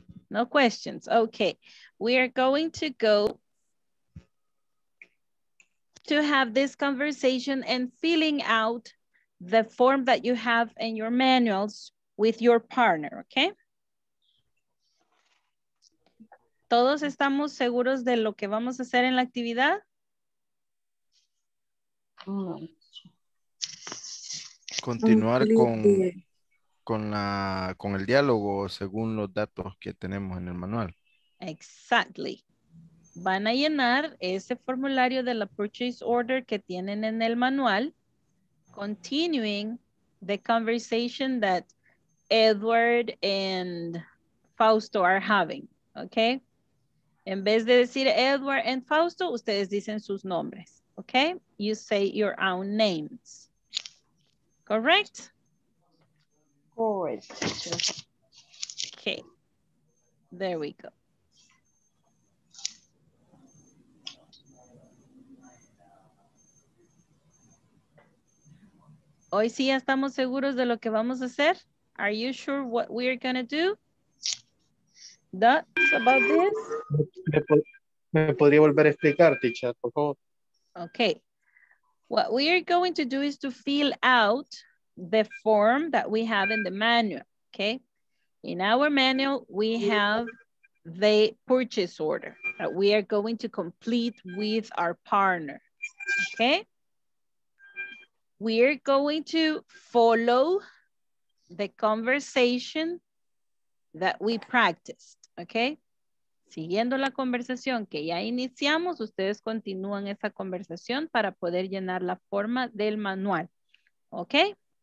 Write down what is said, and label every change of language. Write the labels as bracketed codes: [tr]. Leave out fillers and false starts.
[en] No questions. Okay. We are going to go to have this conversation and filling out the form that you have in your manuals with your partner. Okay. [es] ¿Todos estamos seguros de lo que vamos a hacer en la actividad? Continuar con el diálogo según los datos que tenemos en el manual. [en] Exactly. [es] Van a llenar ese formulario de la purchase order que tienen en el manual, [en] continuing the conversation that Edward and Fausto are having, okay? [es] En vez de decir Edward and Fausto, ustedes dicen sus nombres, okay? [en] You say your own names, correct? Okay, there we go. [es] ¿Hoy sí estamos seguros de lo que vamos a hacer? Sí. [en] Are you sure what we are gonna do? That's about this. [es] ¿Me podría volver a explicar, teacher, por favor? [en] Okay. What we are going to do is to fill out the form that we have in the manual, okay? In our manual, we have the purchase order that we are going to complete with our partner, okay? We are going to follow the conversation that we practiced, okay? [es] Siguiendo la conversación que ya iniciamos, ustedes continúan esa conversación para poder llenar la forma del manual, okay?